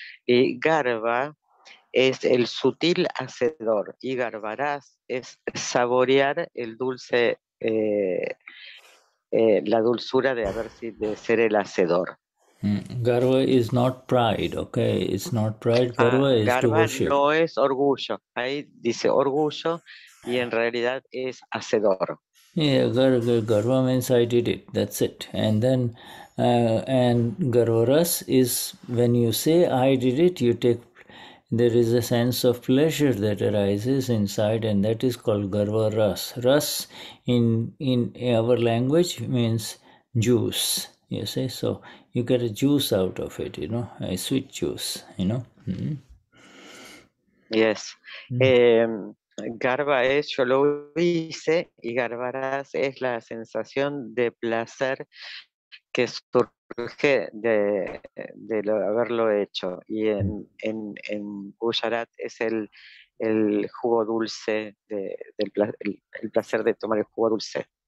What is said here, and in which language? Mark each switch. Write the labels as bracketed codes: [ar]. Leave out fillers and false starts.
[es] Y garva es el sutil hacedor, y garbarás es saborear el dulce, la dulzura de haber de ser el hacedor. [en] Garva is not pride, okay? It's not pride. Garva is [es] doership. No es orgullo. Ahí dice orgullo y en realidad es hacedor. [en] Yeah, garva means I did it. That's it. And then, and garvaras is when you say I did it, you take. There is a sense of pleasure that arises inside, and that is called garva ras. Ras in our language means juice, you see. So you get a juice out of it, you know, a sweet juice, you know. Yes. [es] Garva es yo lo hice, y garva ras es la sensación de placer que surge de lo, haberlo hecho, y en Gujarat es el jugo dulce el placer de tomar el jugo dulce.